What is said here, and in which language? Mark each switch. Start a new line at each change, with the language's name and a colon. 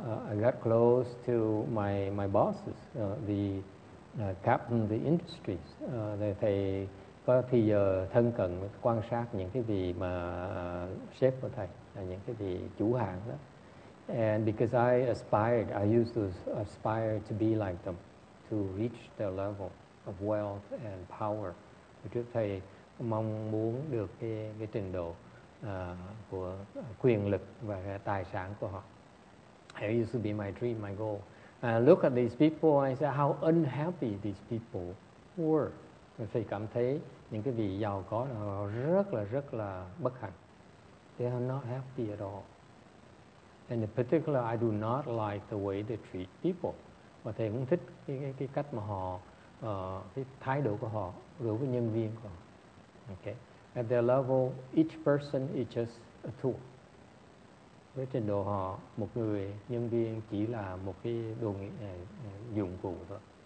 English: I got close to my bosses, the captain of the industries.
Vietnamese: Thầy có thì giờ thân cận quan sát những cái gì mà sếp của thầy, những cái gì chủ hàng đó.
English: And because I used to aspire to be like them, to reach their level of wealth and power.
Vietnamese: Thầy mong muốn được cái trình độ của quyền lực và tài sản của họ.
English: It used to be my dream, my goal. Look at these people, I said, how unhappy these people were.
Vietnamese: Thầy cảm thấy những cái vị giàu có rất là bất hạnh.
English: They are not happy at all. And in particular, I do not like the way they treat people.
Vietnamese: Và thầy cũng thích cái cách mà họ, cái thái độ của họ đối với nhân viên của họ.
English: Okay. At their level, each person is just a tool.
Vietnamese: Với trình độ họ, một người nhân viên chỉ là một cái đồ dụng cụ thôi.